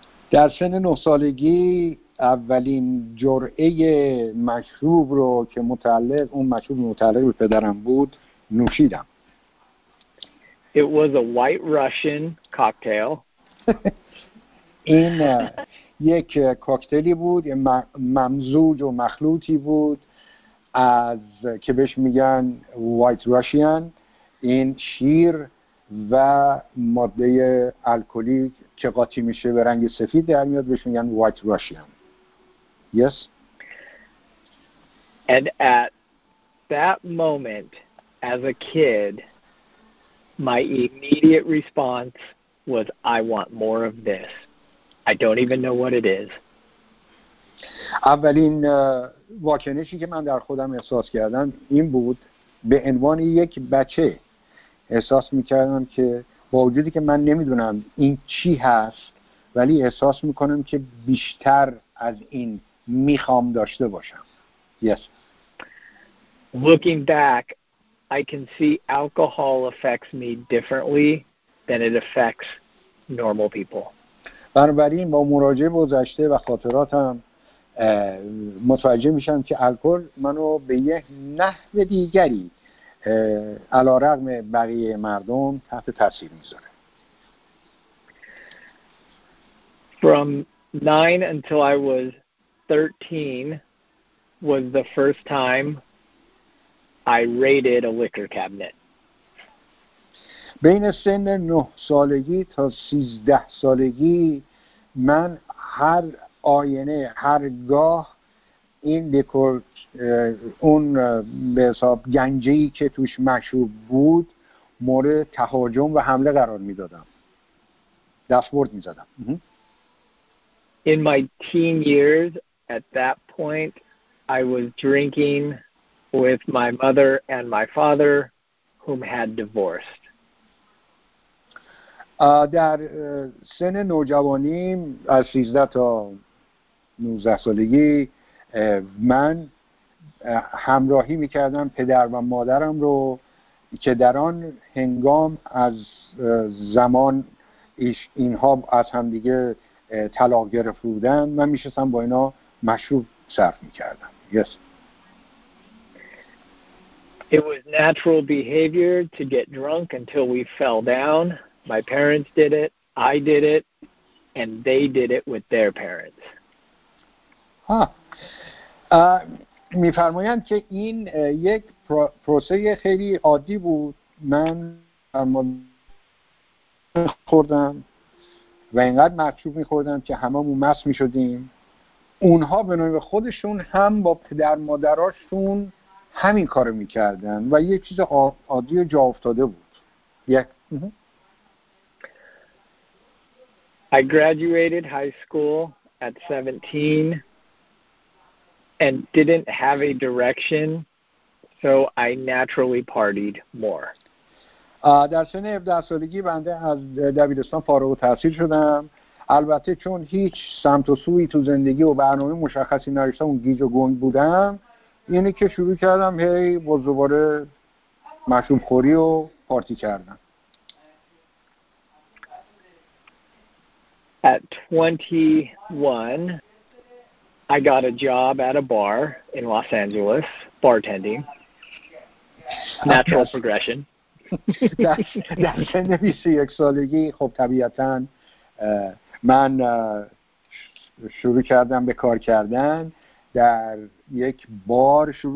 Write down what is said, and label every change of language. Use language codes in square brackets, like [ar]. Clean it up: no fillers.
[fa] در سن 9 سالگی اولین جرعه مشروب رو که متعلق اون مشروب متعلق به پدرم بود نوشیدم. [en] It was a white Russian cocktail. [fa] این یک کوکتلی بود، ممزوج و مخلوطی بود از که بهش میگن white Russian، این شیر و ماده الکلی که قاطی میشه به رنگ سفید در میاد بهش میگن white Russian. [en] Yes. And at that moment, as a kid, my immediate response was, "I want more of this. I don't even know what it is." [fa] اولین واکنشی که من در خودم احساس کردم این بود، به عنوان یک بچه احساس میکردم که با وجودی که من نمیدونم این چی هست، ولی احساس میکنم که بیشتر از این میخوام داشته باشم. [en] Yes. Looking back, I can see alcohol affects me differently than it affects normal people. [fa] بنابراین با مراجعه به گذشته و خاطراتم متوجه میشم که الکل منو به یه نحو دیگری علارغم بقیه مردم تحت تاثیر میذاره. [en] From 9 until I was 13 was the first time I raided a liquor cabinet. [fa] بین سن 9 سالگی تا 13 سالگی من هر آینه هر گاه این دکور اون به حساب گنجه‌ای که توش مشروب بود مورد تهاجم و حمله قرار میدادم، دستبرد میزدم. [en] In my teen years at that point I was drinking with my mother and my father whom had divorced. [fa] در سن نوجوانی از 13 تا 19 سالگی من همراهی میکردم پدر و مادرم رو که در آن هنگام از زمان اینها از هم دیگه طلاق گرفته بودن، من میشستم با اینا مشروب صرف میکردم. [en] Yes. It was natural behavior to get drunk until we fell down. My parents did it, I did it, and they did it with their parents. [fa] میفرمایند که این یک پروسه خیلی عادی بود. من خوردم و اینقدر مشروب می‌خوردم که هممون مست می‌شدیم. اونها به نوعی خودشون هم با پدر مادراشون همین کارو می‌کردن و یک چیز عادی و جا افتاده بود. [en] I graduated high school at 17 and didn't have a direction, so I naturally partied more. [fa] در سن 17 سالگی بنده از دبیرستان فارغ التحصیل شدم. البته چون هیچ سمت و سویی تو زندگی و برنامه مشخصی نداشتم، گیج و گنگ بودم، یعنی که شروع کردم هی باز دوباره مشروب خوری و پارتی کردم. [en] At 21, I got a job at a bar in Los Angeles, bartending. Natural progression. [fa] در سن 21 سالگی خب طبیعتاً من شروع کردم به کار کردن در یک بار.